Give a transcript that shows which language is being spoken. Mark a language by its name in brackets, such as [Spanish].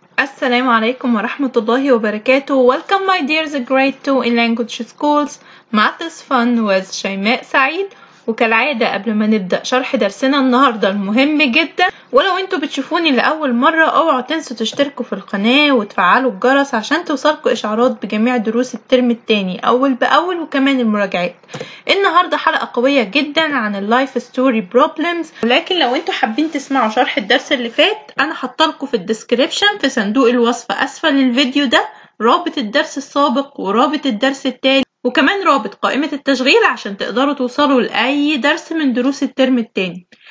[Arabic] السلام عليكم ورحمة الله وبركاته. [English] Welcome my dears grade 2 in language schools. Math is fun with Shimaa Saieed. [Arabic] وكالعادة قبل ما نبدأ شرح درسنا النهاردة المهم جدا، ولو انتوا بتشوفوني لأول مرة اوعوا تنسوا تشتركوا في القناة وتفعلوا الجرس عشان توصلكوا اشعارات بجميع دروس الترم الثاني اول باول وكمان المراجعات. النهاردة حلقة قوية جدا عن اللايف ستوري بروبلمز، ولكن لو انتوا حابين تسمعوا شرح الدرس اللي فات انا حطلكوا في الديسكريبشن في صندوق الوصف اسفل الفيديو ده رابط الدرس السابق ورابط الدرس التالي وكمان رابط قائمة التشغيل عشان تقدروا توصلوا لأي درس من دروس الترم التاني.